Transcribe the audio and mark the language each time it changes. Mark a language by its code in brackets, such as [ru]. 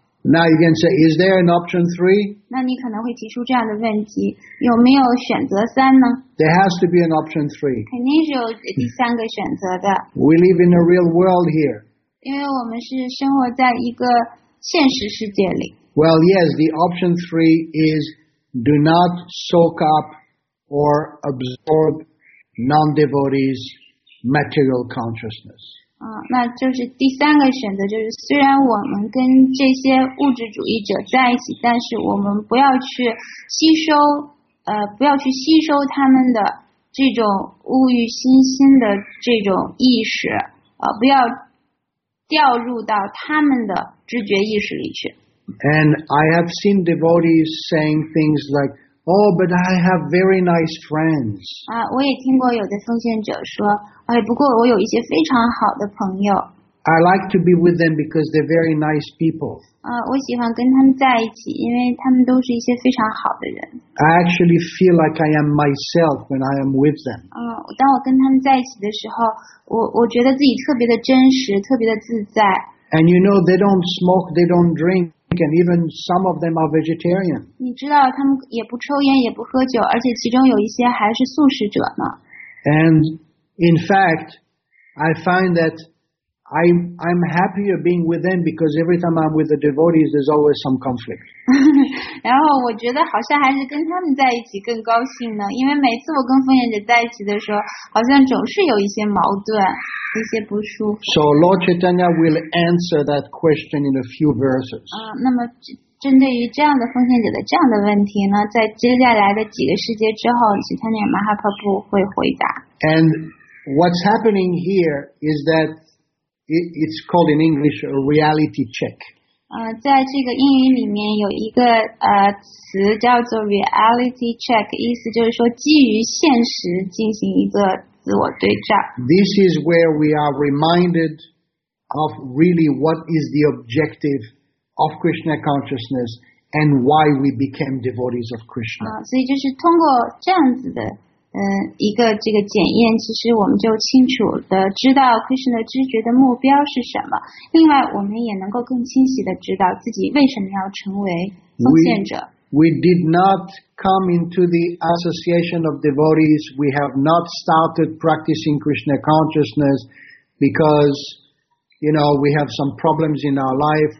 [en] Now you can say, is there an option three? [zh] 那你可能会提出这样的问题，有没有选择三呢？ [en] There has to be an option three. [zh] 肯定是有第三个选择的。 [en] We live in a real world here. [zh] 因为我们是生活在一个现实世界里。 [en] Well, yes, the option three is do not soak up or absorb non-devotees' material consciousness. [zh] 那就是第三个选择，就是虽然我们跟这些物质主义者在一起，但是我们不要去吸收，不要去吸收他们的这种物欲熏心的这种意识，不要掉入到他们的知觉意识里去。 [en] And I have seen devotees saying things like, "Oh, but I have very nice friends." [zh] 我也听过有的奉献者说。不过我有一些非常好的朋友。 [en] I like to be with them because they're very nice people. [zh] 我喜欢跟他们在一起，因为他们都是一些非常好的人。 [en] I actually feel like I am myself when I am with them. [zh] 当我跟他们在一起的时候，我觉得自己特别的真实，特别的自在。 [en] And you know, they don't smoke, they don't drink, and even some of them are vegetarian. [zh] 你知道，他们也不抽烟，也不喝酒，而且其中有一些还是素食者呢。 [en] And In fact, I find that I'm happier being with them because every time I'm with the devotees, there's always some conflict. [zh] 然后我觉得好像还是跟他们在一起更高兴呢，因为每次我跟奉献者在一起的时候，好像总是有一些矛盾，一些不舒服。 [en] So Lord Chaitanya will answer that question in a few verses. [zh] 那么针对于这样的奉献者的这样的问题呢，在接下来的几个世界之后，其他那个马哈帕布会回答。 [en] And what's happening here is that it's called in English a reality check. [zh] 在这个英语里面有一个词叫做 reality check， 意思就是说基于现实进行一个自我对照。 [en] This is where we are reminded of really what is the objective of Krishna consciousness and why we became devotees of Krishna. [zh] 所以就是通过这样子的。一个这个检验，其实我们就清楚的知道 Krishna 知觉的目标是什么。另外，我们也能够更清晰的知道自己为什么要成为奉献者。 [en] We did not come into the association of devotees. We have not started practicing Krishna consciousness because, you know, we have some problems in our life.